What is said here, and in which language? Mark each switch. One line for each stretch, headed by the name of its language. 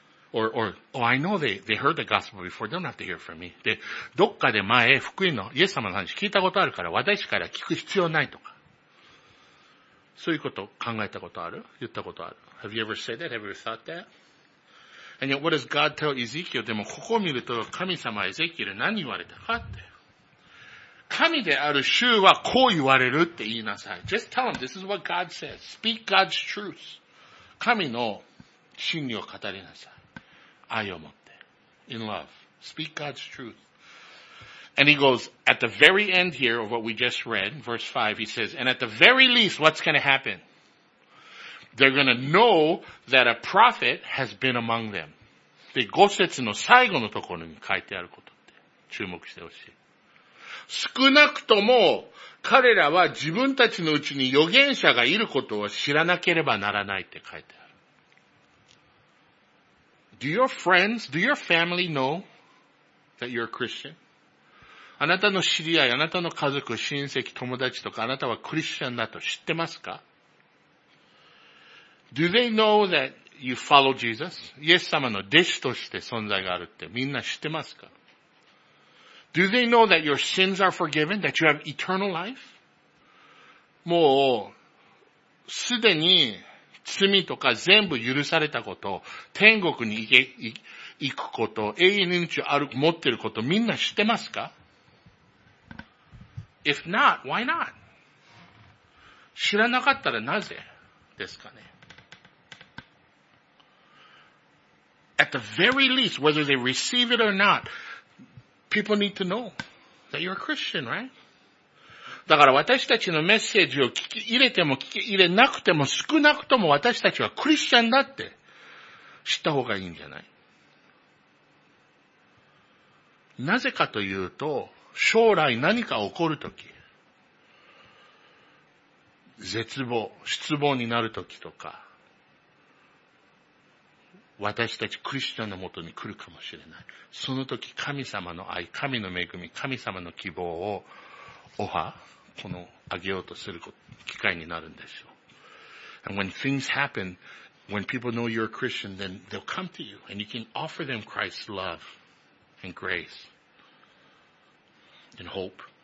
English: Or, oh, I know they heard the gospel before. They don't have to hear from me.
Japanese: で、どっかで前、福音のイエス様の話聞いたことあるから、私から聞く必要ないとか。そういうこと考えたことある? 言ったことある?
English: Have you ever said that? Have you ever thought that? And yet, what does God tell Ezekiel?
Japanese: でも、ここを見ると、神様はエゼキエル何言われたかって。神である主はこう言われるって言いなさい。
English: Just tell him, this is what God says. Speak God's truth.
Japanese: 神の真理を語りなさい。愛を持って。
English: In love. Speak God's truth. And he goes, at the very end here of what we just read, verse 5, he says, and at the very least, what's going to happen? They're going to know that a prophet has been among them.
Japanese: で、5節の最後のところに書いてあることって注目してほしい。少なくとも彼らは自分たちのうちに預言者がいることを知らなければならないって書いてある。
English: Do your friends, do your family know that you're a Christian?
Japanese: あなたの知り合い、あなたの家族、親戚、友達とかあなたはクリスチャンだと知ってますか?
English: Do they know that you follow Jesus?
Japanese: イエス様の弟子として存在があるってみんな知ってますか?
English: Do they know that your sins are forgiven? That you have eternal life?
Japanese: もう、すでに罪とか全部許されたこと、天国に行くこと、永遠命を持ってること、みんな知ってますか?
English: If not, why not?
Japanese: 知らなかったらなぜですかね?
English: At the very least, whether they receive it or not,People need to know that you're a Christian, right?
Japanese: だから私たちのメッセージを聞き入れても聞き入れなくても少なくとも私たちはクリスチャンだって知った方がいいんじゃない? なぜかというと、将来何か起こるとき、絶望、失望になるときとか、私たちクリスチャンのもとに来るかもしれない。その時神様の愛、神の恵み、神様の希望をあげようとする機会になるんでしょう。
English: And when things happen, when people know you're a Christian, then they'll come to you and you can offer them Christ's love and grace and hope.